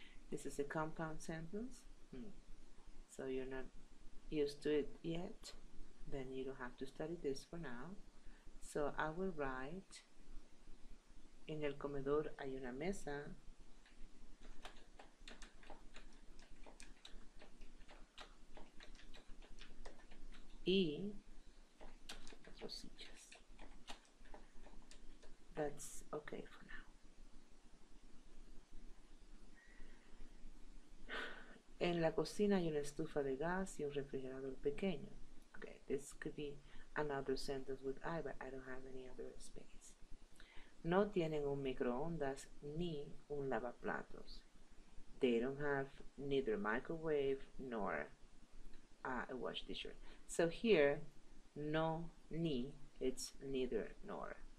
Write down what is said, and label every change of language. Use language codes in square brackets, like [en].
[en] This is a compound sentence, so you're not used to it yet, then you don't have to study this for now. So I will write, [es] en el comedor hay una mesa y cuatro sillas. [en] That's okay for now. [es] En la cocina hay una estufa de gas y un refrigerador pequeño. [en] Okay, this could be another sentence with I, but I don't have any other space. [es] No tienen un microondas ni un lavaplatos. [en] They don't have neither microwave nor a wash dishwasher. So here, no, ni, it's neither nor.